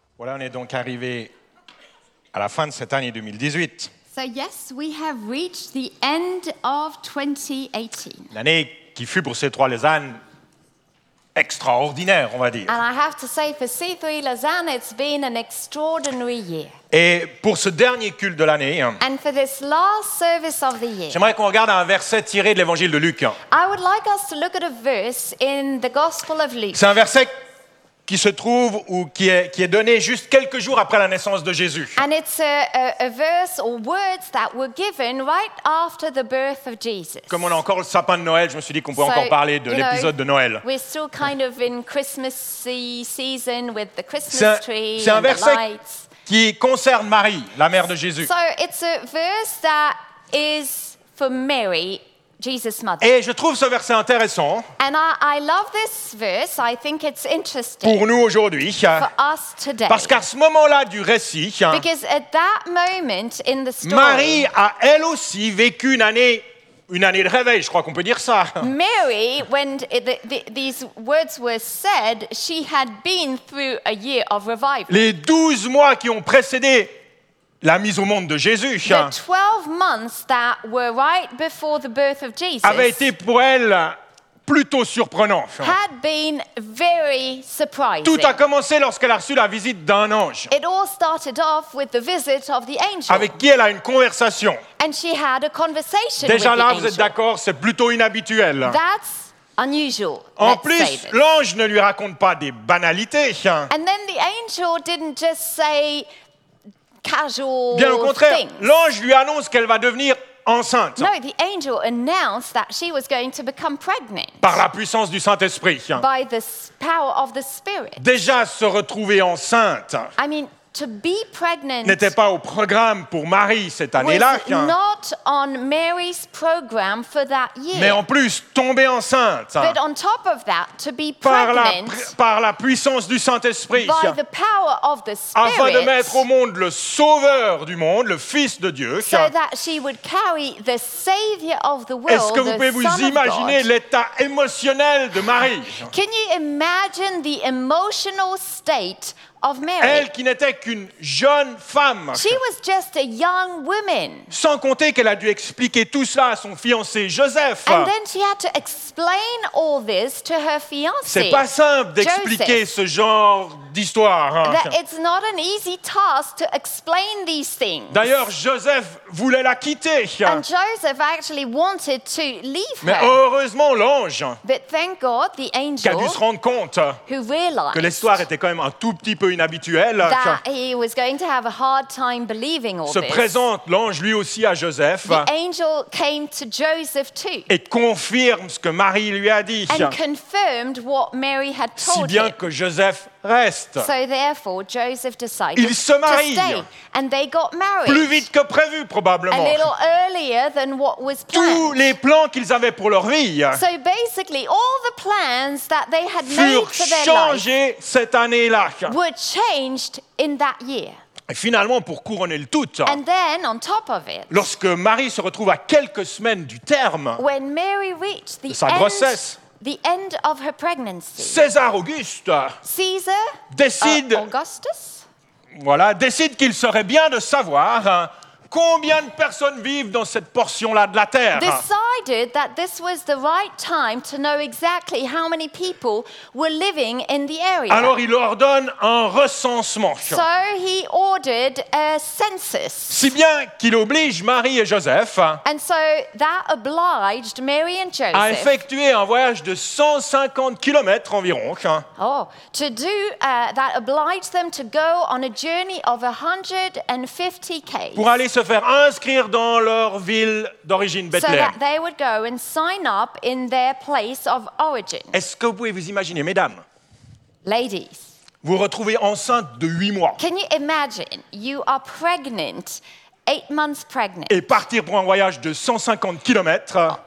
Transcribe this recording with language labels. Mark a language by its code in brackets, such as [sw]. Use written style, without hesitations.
[fr] Voilà, on est donc arrivé à la fin de cette année 2018. [en] So yes, we have reached the end of 2018. [fr] L'année qui fut pour C3 Lausanne extraordinaire, on va dire. [en] And I have to say for C3 Lausanne, it's been an extraordinary year. [fr] Et pour ce dernier culte de l'année, [en] and for this last service of the year, [fr] j'aimerais qu'on regarde un verset tiré de l'évangile de Luc. [en] I would like us to look at a verse in the Gospel of Luke. [fr] C'est un verset qui se trouve ou qui est donné juste quelques jours après la naissance de Jésus. [en] And it's a verse or words that were given right after the birth of Jesus. [fr] Comme on a encore le sapin de Noël, je me suis dit qu'on pouvait encore parler de l'épisode de Noël. [en] We're still kind of in Christmassy season with the Christmas tree. [fr] C'est un verset qui concerne Marie, la mère de Jésus. [en] So it's a verse that is for Mary, Jesus' mother. [fr] Et je trouve ce verset intéressant. [en] And I love this verse. I think it's interesting. [fr] Pour nous aujourd'hui. [en] For us today. [fr] Parce qu'à ce moment-là du récit, [en] because at that moment in the story, [fr] Marie a elle aussi vécu une année de réveil, je crois qu'on peut dire ça. [en] Mary, when these words were said, she had been through a year of revival. [fr] Les 12 mois qui ont précédé la mise au monde de Jésus, [en] the 12 months that were right before the birth of Jesus, [fr] avait été pour elle plutôt surprenant. [en] Had been very surprising. [fr] Tout a commencé lorsqu'elle a reçu la visite d'un ange. [en] It all started off with the visit of the angel. [fr] Avec qui elle a une conversation. [en] And she had a conversation. [fr] Déjà [en] with [fr] là, [en] the [fr] vous [en] angel. [fr] Êtes d'accord, c'est plutôt inhabituel. [en] That's unusual. [fr] En plus, l'ange ne lui raconte pas des banalités. [en] And then the angel didn't just say casual. [fr] Bien au contraire, [en] things. [fr] L'ange lui annonce qu'elle va devenir enceinte. [en] No, the angel announced that she was going to become pregnant. [fr] Par la puissance du Saint-Esprit. [en] By the power of the Spirit. [fr] Déjà se retrouver enceinte. [en] I mean, to be pregnant [fr] n'était pas au programme pour Marie cette année-là. [en] Was not on Mary's program for that year. [fr] Mais en plus, tomber enceinte. [en] But on top of that, to be pregnant [fr] par la puissance du Saint-Esprit. [en] By the power of the Spirit. [fr] Afin de mettre au monde le Sauveur du monde, le Fils de Dieu. [en] So that she would carry the Savior of the world. [fr] Est-ce que vous pouvez vous imaginer l'état émotionnel de Marie? [en] Can you imagine the emotional state of Mary? [fr] Elle qui n'était qu'une jeune femme. [en] She was just a young woman. [fr] Sans compter qu'elle a dû expliquer tout cela à son fiancé Joseph. [en] And then she had to explain all this to her fiancé. [fr] C'est pas simple d'expliquer [en] Joseph. [fr] Ce genre d'histoire. [en] That it's not an easy task to explain these things. [fr] D'ailleurs, Joseph voulait la quitter. [en] And Joseph actually wanted to leave her. [fr] Mais heureusement, l'ange. [en] But thank God, the angel. [fr] Qui a dû se rendre compte. [en] Who realized [fr] que l'histoire était quand même un tout petit peu inhabituel. [en] He was going to have a hard time believing all [fr] se [en] this. [fr] Présente l'ange lui aussi à Joseph. [en] The angel came to Joseph too. [fr] Et confirme ce que Marie lui a dit. [en] And confirmed what Mary had told [fr] si bien [en] him. [fr] Que Joseph reste. [en] So therefore Joseph decided [fr] il se marie. [en] To stay. And they got married. [fr] Plus vite que prévu probablement. [en] A little earlier than what was planned. [fr] Tous les plans qu'ils avaient pour leur vie. [en] So basically all the plans that they had made for their life. [fr] Changés cette année-là. [en] Were changed in that year. [fr] Et finalement, pour couronner le tout, [en] and then, on top of it, [fr] lorsque Marie se retrouve à quelques semaines du terme [en] when Mary reached the [fr] de sa grossesse, [en] end, the end of her pregnancy, [fr] César Auguste [en] Caesar [fr] décide, [en] Augustus? [fr] Voilà, décide qu'il serait bien de savoir combien de personnes vivent dans cette portion-là de la terre. [en] Decided that this was the right time to know exactly how many people were living in the area. [fr] Alors il ordonne un recensement. [en] So he ordered a census. [fr] Si bien qu'il oblige Marie et Joseph. [en] And so that obliged Mary and Joseph. [fr] À effectuer un voyage de 150 kilomètres environ. [en] Oh, to do that obliged them to go on a journey of 150 km. [fr] Pour aller se faire inscrire dans leur ville d'origine, Bethléem. [en] So that they would go and sign up in their place of origin. [fr] Est-ce que vous pouvez vous imaginer, mesdames? [en] Ladies. [fr] Vous retrouvez enceinte de 8 mois. [en] Can you imagine? You are pregnant, 8 months pregnant. [fr] Et partir pour un voyage de 150 km.